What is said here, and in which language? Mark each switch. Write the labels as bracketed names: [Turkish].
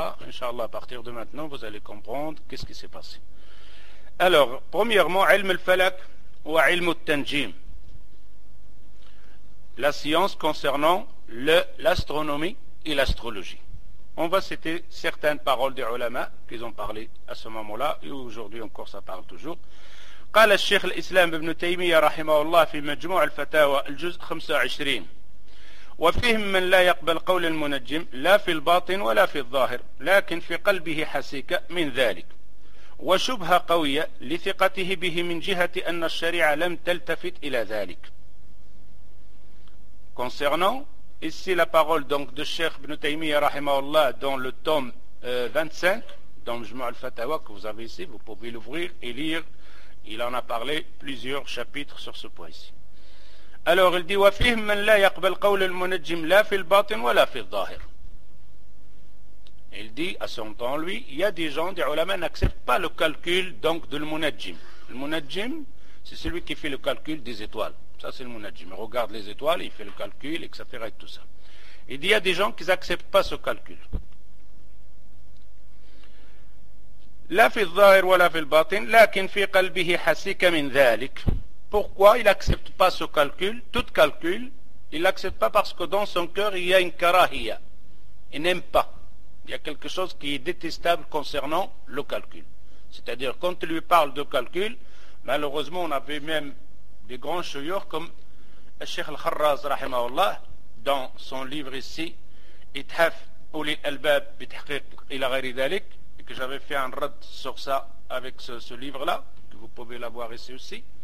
[French] Inshallah, à partir de maintenant, vous allez comprendre qu'est-ce qui s'est passé. Alors, premièrement, ilm al-falak ou ilm al-tanjim, la science concernant l'astronomie et l'astrologie. On va citer certaines paroles des ulama qu'ils ont parlé à ce moment-là, et aujourd'hui encore ça parle toujours. [Arabic] قال الشيخ الإسلام ابن تيمية رحمه الله في مجموع الفتاوى الجزء 25 وفيهم من لا يقبل قول المنجم لا في الباطن ولا في الظاهر لكن في قلبه حسيك من ذلك وشبهة قوية لثقته به من جهة أن الشريعة لم تلتفت إلى ذلك. [French] Concernant ici la parole donc de Cheikh Ibn Taymiyyah rahimahullah dans le tome 25 dans le Jumu'ah al-Fatawa que vous avez ici, vous pouvez l'ouvrir et lire. Il en a parlé plusieurs chapitres sur ce point ici. Alors il dit [Arabic] وَفِهِمْ مَنْ لَا يَقْبَلْ قَوْلِ الْمُنَجِّمْ لَا فِي الْبَاطِنْ وَلَا فِي الظَّاهِرْ. [French] Il dit à son temps lui, il y a des gens, des ulama n'acceptent pas le calcul donc de l'munajjim. L'munajjim, c'est celui qui fait le calcul des étoiles. Ça c'est le l'munajjim. Il regarde les étoiles, il fait le calcul, etc. Et tout ça. Il dit, il y a des gens qui n'acceptent pas ce calcul. [Arabic] لا في الظاهر ولا في الباطن لكن في قلبه حسيك من ذلك. [French] Pourquoi il n'accepte pas ce calcul, tout calcul, il n'accepte pas parce que dans son cœur il y a une karahia, il n'aime pas. Il y a quelque chose qui est détestable concernant le calcul. C'est-à-dire quand il lui parle de calcul, malheureusement on avait même des grands chouyours comme Cheikh Al-Kharraz rahimahullah dans son livre ici, Ithaf Ouli Al-Bab Bitahqiq ila ghairi dhalik, que j'avais fait un rad sur ça avec ce livre-là, que vous pouvez l'avoir ici aussi.